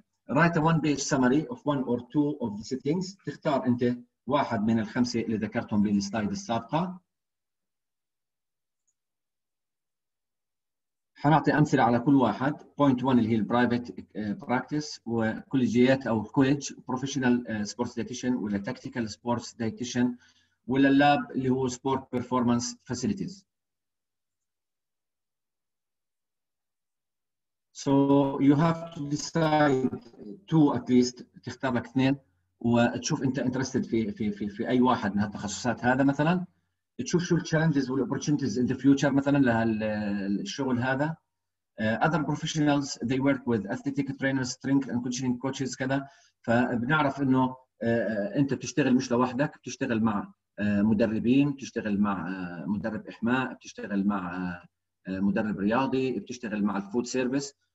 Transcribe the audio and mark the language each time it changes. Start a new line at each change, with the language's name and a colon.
English: Write a one-page summary of one or two of the settings.
Arabic: تختار أنت واحد من الخمسة اللي ذكرتهم بالسلايد السابقة. حنعطي أمثلة على كل واحد.
English: Point one
Arabic: اللي هي
English: الـ private practice وكوليجيات أو كوليج، professional sports dietitian ولا tactical sports dietitian ولا lab اللي هو sport performance facilities. So you have to decide two at least.
Arabic: تختار لك اثنين وتشوف انت interested في في في في اي واحد من هالتخصصات هذا مثلا، تشوف شو challenges وال
English: opportunities in the future
Arabic: مثلا لهالشغل هذا.
English: Other professionals they work with athletic trainers, strength and conditioning coaches
Arabic: كذا، فبنعرف انه انت بتشتغل مش لوحدك، بتشتغل مع مدربين، بتشتغل مع مدرب احماء، بتشتغل مع مدرب رياضي، بتشتغل مع الفود سيرفيس.